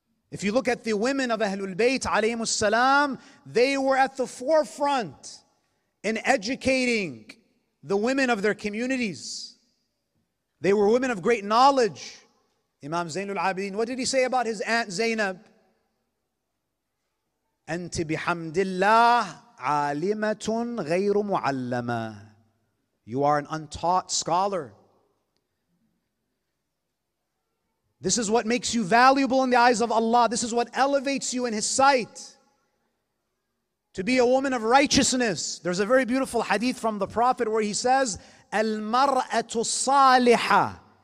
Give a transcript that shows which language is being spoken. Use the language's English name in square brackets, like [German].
[English] If you look at the women of Ahlul Bayt, alayhimus salam, they were at the forefront in educating the women of their communities. They were women of great knowledge. Imam Zainul Abidin, what did he say about his aunt Zainab? [Arabic] أنت بحمد الله عالمة غير معلمة. [English] You are an untaught scholar. This is what makes you valuable in the eyes of Allah. This is what elevates you in His sight. To be a woman of righteousness. There's a very beautiful hadith from the Prophet where he says, [Arabic] المرأة الصالحة.